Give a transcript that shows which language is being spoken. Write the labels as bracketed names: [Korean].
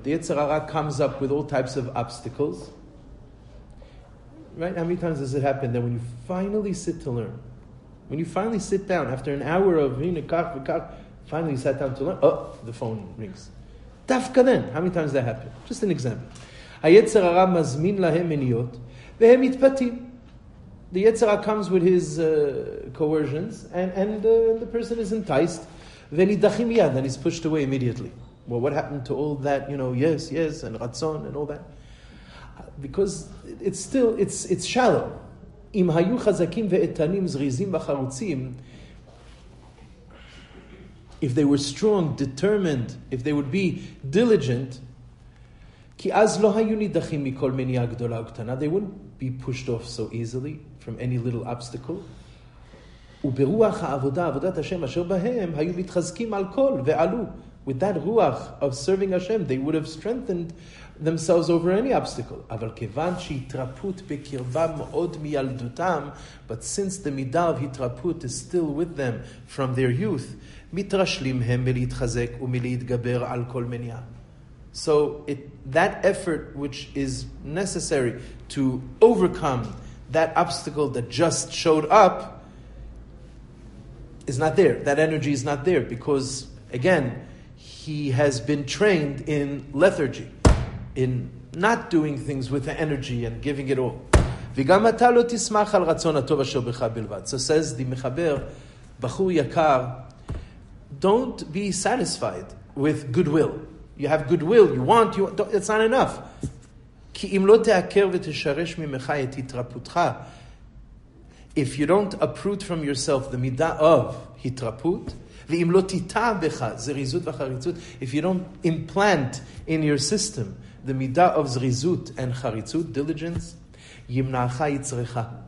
[English] The יצר הרע comes up with all types of obstacles. Right? How many times does it happen that when you finally sit to learn, when you finally sit down, after an hour of [Hebrew] hina kach v'kach, [English] finally sat down to learn, oh, the phone rings. דווקא then, how many times does that happen? Just an example. [Hebrew] היצר הרע מזמין להם מניעות, והם מתפתים. [English] The יצר הרע comes with his coercions, and the person is enticed. [Hebrew] ונדחים מיד, [English] and he's pushed away immediately. Well, what happened to all that, you know, yes, yes, and רצון, and all that? Because it's shallow. [Hebrew] אם היו חזקים ואיתנים, זריזים וחרוצים, [English] if they were strong, determined, if they would be diligent, [Hebrew] כי אז לא היו נדחים מכל מניעה גדולה וקטנה, [English] they wouldn't be pushed off so easily from any little obstacle. [Hebrew] וברוח העבודה, עבודת השם, אשר בהם, היו מתחזקים על כל ועלו. [English] With that ruach of serving Hashem, they would have strengthened themselves over any obstacle. [Hebrew] אבל כיוון שהתרפות בקרבם מאוד מילדותם, [English] but since the מידה of התרפות is still with them from their youth, [Hebrew] מתרשלים הם מלהתחזק ומלהתגבר על כל מניעה. [English] So that effort which is necessary to overcome that obstacle that just showed up, is not there. That energy is not there because, again, he has been trained in lethargy, in not doing things with the energy and giving it all. [Hebrew] וגם אתה לא תשמח על רצון הטוב אשר בך בלבד. [English] So says the מחבר, בחור יקר, don't be satisfied with goodwill. You have goodwill, you want, it's not enough. [Hebrew] כי אם לא תעקר ותשרש ממך את התרפותך, [English] if you don't uproot from yourself the midah of hitraput, [Hebrew] ve'im lo tita becha, zrizut v'charitzut, [English] if you don't implant in your system the midah of zrizut and charitzut, diligence, [Hebrew] yimna'acha yitzrecha,